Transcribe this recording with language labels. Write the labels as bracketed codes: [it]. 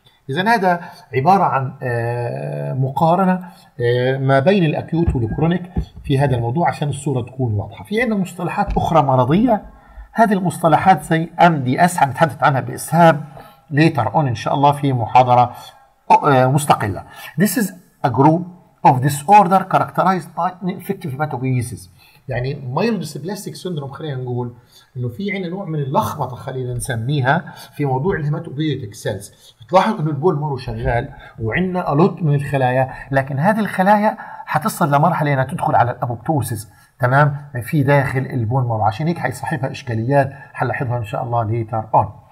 [ar] اذا هذا عبارة عن مقارنة ما بين الاكيوت والكرونيك في هذا الموضوع عشان الصورة تكون واضحة. في عندنا مصطلحات اخرى مرضية، هذه المصطلحات زي MDS هنتحدث عنها بإسهاب ليتر اون إن شاء الله في محاضرة مستقله. [en] This is a group of disorder characterized by infective metabolism. [ar] يعني مايلودسبلاستيك سندروم خلينا نقول انه في عندنا نوع من اللخبطه خلينا نسميها في موضوع الهيماتوبويتيك سيلز. بتلاحظ انه البول مارو شغال وعندنا الوت من الخلايا، لكن هذه الخلايا حتصل لمرحله انها تدخل على الابوبتوسيس تمام في داخل البول مارو، عشان هيك حيصاحبها اشكاليات حنلاحظها ان شاء الله ليتر اون.